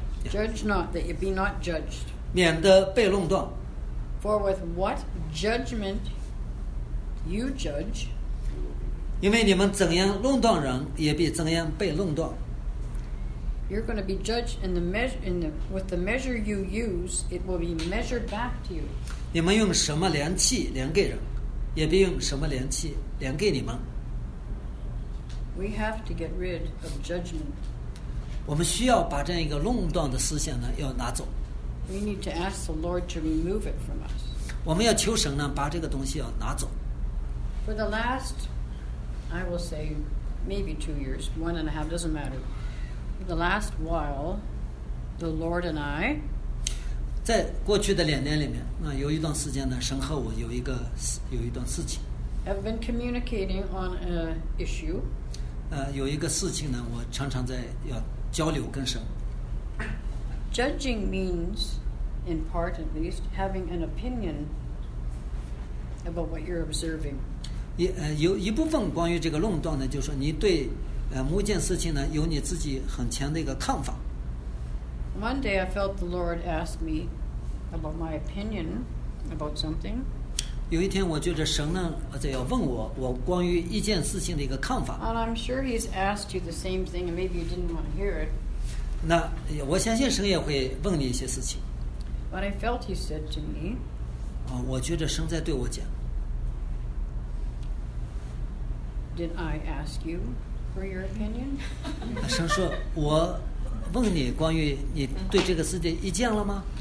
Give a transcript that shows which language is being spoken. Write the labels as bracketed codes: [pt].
[en] Judge not, that you be not judged. [zh] 免得被弄断。 [en] For with what judgment you judge? [zh] 因为你们怎样弄断人，也必怎样被弄断。 [en] You're going to be judged in the measure in the with the measure you use, it will be measured back to you. [zh] 你们用什么量器量给人，也别用什么量器量给你们。 [en] We have to get rid of judgment. [zh] 我们需要把这样一个论断的思想呢，要拿走。 [en] We need to ask the Lord to remove it from us. [zh] 我们要求神呢，把这个东西要拿走。 [en] For the last, I will say, maybe 2 years, 1.5 doesn't matter. For the last while, the Lord and I. [zh] 在过去的两年里面，那有一段时间呢，神和我有一段事情。 [en] I've been communicating on an issue. [zh] 有一个事情呢，我常常在要交流跟神。 [en] Judging means, in part at least, having an opinion about what you're observing. [zh] 有一部分关于这个论断呢，就是说你对某件事情呢，有你自己很强的一个看法。 [en] One day I felt the Lord ask me about my opinion about something. [zh] 有一天我觉得神呢在要问我关于一件事情的一个看法。 [en] And I'm sure he's asked you the same thing and maybe you didn't want to hear it. [zh] 那我相信神也会问你一些事情。 [en] But I felt he said to me. [zh] 我觉得神在对我讲。 [en] Did I ask you for your opinion? [zh] 神说我问你关于你对这个世界意见了吗